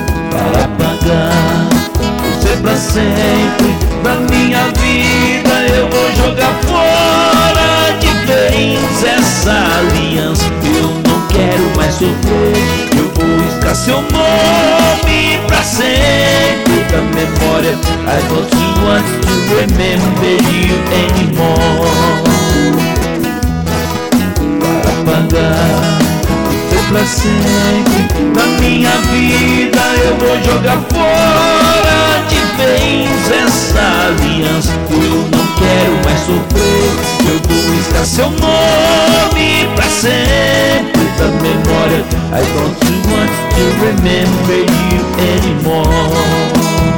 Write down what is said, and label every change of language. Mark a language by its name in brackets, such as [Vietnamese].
[Portuguese] Para apagar você pra sempre da minha vida, eu vou jogar fora de vez essa aliança. Eu não quero mais sofrer, eu vou riscar seu nome pra sempre da memória. [English] I don't want to remember you anymore. [Portuguese] Você pra sempre na minha vida, eu vou jogar fora de vez essa aliança. Eu não quero mais sofrer, eu vou riscar seu nome pra sempre da memória. [English] I don't want to remember you anymore.